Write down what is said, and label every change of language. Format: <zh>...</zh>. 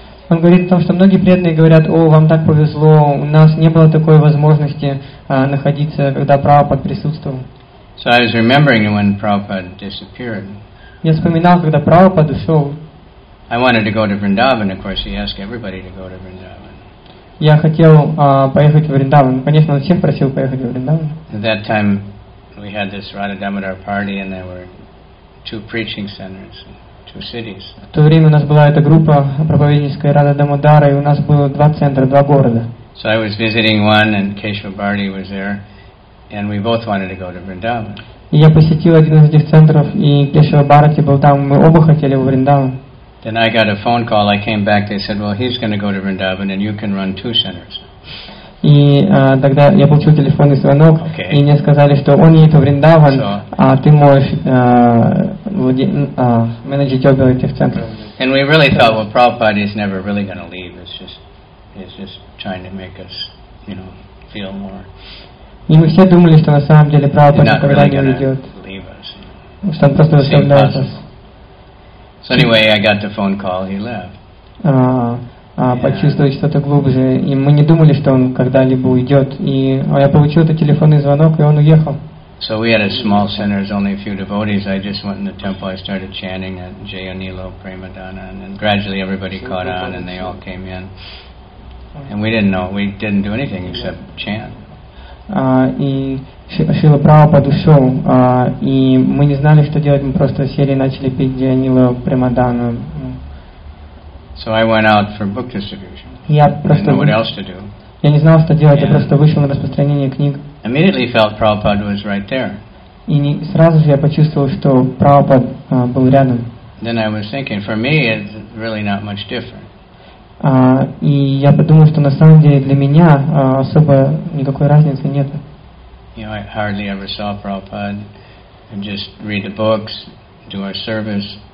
<ru>Он говорит о том, что многие преданные говорят, о, вам так повезло, у нас не было такой возможности находиться, когда Прабхупад присутствовал.</ru> <en>So I was remembering when Prabhupad disappeared.</en> <ru>Я вспоминал, когда Прабхупад ушел.</ru> <en>I wanted to go to Vrindavan, of course, he asked everybody to go to Vrindavan.</en> <ru>Я хотел поехать в Вриндаван. Конечно, он всех просил поехать в Вриндаван.</ru> <en>At that time, we had this Radha Damodar party, and there were two preaching centers, two cities.</en> <ru>В то время у нас была эта группа проповедническая Радха Дамодара, и у нас было два центра, два города.</ru> <en>So I was visiting one, and Keshava Bharti was there, and we both wanted to go to Vrindavan.</en> <ru>И я посетил один из этих центров, и Кешава Бхарати был там, мы оба хотели в Вриндаван.</ru> <en>Then I got a phone call, I came back, they said, well, he's going to go to Vrindavan, and you can run two centers.</en> <ru>И тогда я получил телефонный звонок,</ru> <en>okay.</en> <ru>И мне сказали, что он едет в Вриндаван,</ru> <en>so,</en> <ru>а ты можешь менеджить оба этих центров.</ru> <en>And we really thought, well, Prabhupada is never really going to leave, it's just trying to make us, you know, feel more.</en> <ru>И мы все думали, что на самом деле Прабхупада никогда</ru> <en>really</en> <ru>не уйдет.</ru> <en>Us,</en> <ru>что он просто оставляет нас.</ru> <en>So anyway, I got the phone call, he left.</en> <ru>Почувствовать что-то глубже. И мы не думали, что он когда-либо уйдет. И я получил этот телефонный звонок, и он уехал.</ru> <en>So we had a small center, there's only a few devotees. I just went in the temple, I started chanting at Jaya Nilo Premadana, and then gradually everybody caught on, and they all came in. And we didn't know, we didn't do anything except chant.</en> <ru>И Шрила Прабхупада ушел, и мы не знали, что делать, мы просто сели и начали петь Джая Нила Премадану.</ru> <en>So I went out for book distribution.</en> <ru>Я просто...</ru> <en>I didn't know what else to do.</en> <ru>Я не знал, что делать, я просто вышел на распространение книг.</ru> <en>Immediately felt Prabhupada was right there.</en> <ru>И не... сразу же я почувствовал, что Прабхупад был рядом.</ru> <en>Then I was thinking, for me it's really not much different.</en> <ru>И я подумал, что на самом деле для меня особо никакой разницы нет.</ru> <en>You know, I hardly ever saw Prabhupada. I just read the books, do our service.</en>